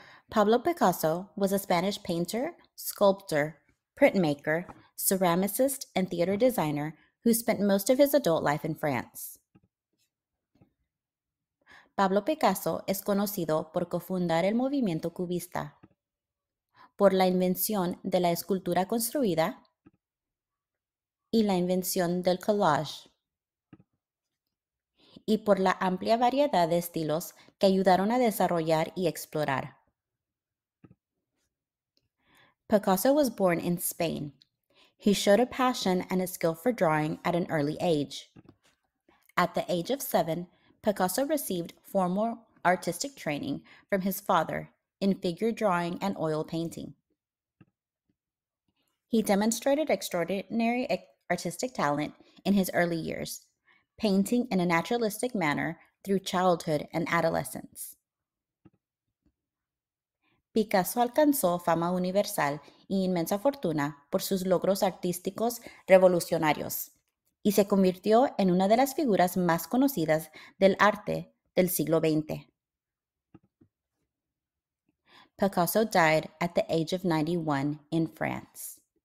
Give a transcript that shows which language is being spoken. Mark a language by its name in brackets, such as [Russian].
[English] Pablo Picasso was a Spanish painter, sculptor, printmaker, ceramicist, and theater designer who spent most of his adult life in France. [Spanish] Pablo Picasso es conocido por cofundar el movimiento cubista, por la invención de la escultura construida y la invención del collage, y por la amplia variedad de estilos que ayudaron a desarrollar y explorar. [English] Picasso was born in Spain. He showed a passion and a skill for drawing at an early age. At the age of 7, Picasso received formal artistic training from his father in figure drawing and oil painting. He demonstrated extraordinary artistic talent in his early years, painting in a naturalistic manner through childhood and adolescence. [Spanish] Picasso alcanzó fama universal y inmensa fortuna por sus logros artísticos revolucionarios y se convirtió en una de las figuras más conocidas del arte del siglo XX. [English] Picasso died at the age of 91 in France.